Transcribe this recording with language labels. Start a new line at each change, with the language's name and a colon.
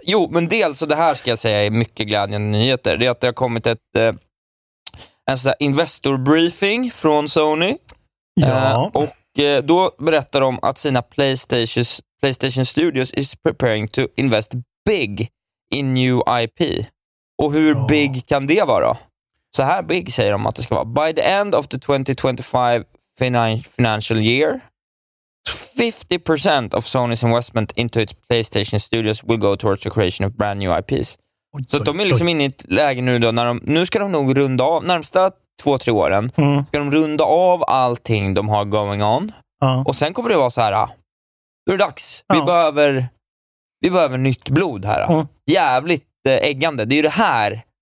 Swedish: Jo, men dels så det här ska jag säga är mycket glädjande nyheter. Det är att det har kommit en sån där investor-briefing från Sony. Ja.
English: Då berättar de att sina PlayStation Studios is preparing to invest big in new IP.
Swedish: Och hur big kan det vara? Så här big säger de att det ska vara.
English: By the end of the 2025 financial year, 50% of Sony's investment into its PlayStation Studios will go towards the creation of brand new IPs.
Swedish: Oj, så de är liksom inne i ett läge nu då, nu ska de nog runda av närmsta 2-3 åren. Mm. Ska de runda av allting de har going on. Ja. Och sen kommer det vara så här. Nu är det dags. Ja. Vi behöver nytt blod här. Jävligt äggande. Det är ju det här.